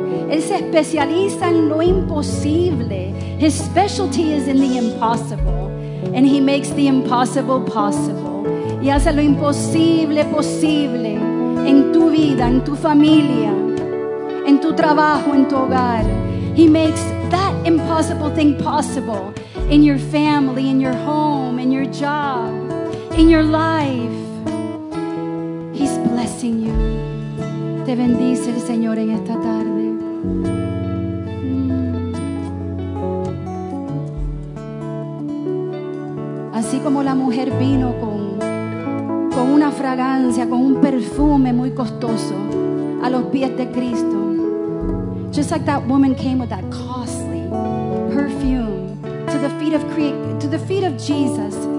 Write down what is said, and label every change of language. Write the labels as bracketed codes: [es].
[es] Especializa en lo imposible. [en] His specialty is in the impossible. And he makes the impossible possible. [es] Y hace lo imposible posible en tu vida, en tu familia, en tu trabajo, en tu hogar. [en] He makes that impossible thing possible in your family, in your home, in your job, in your life. He's blessing you. [es] Te bendice el Señor en esta tarde. Así como la mujer vino con una fragancia, con un perfume muy costoso a los pies de Cristo. [en] Just like that woman came with that costly perfume to the feet of Jesus.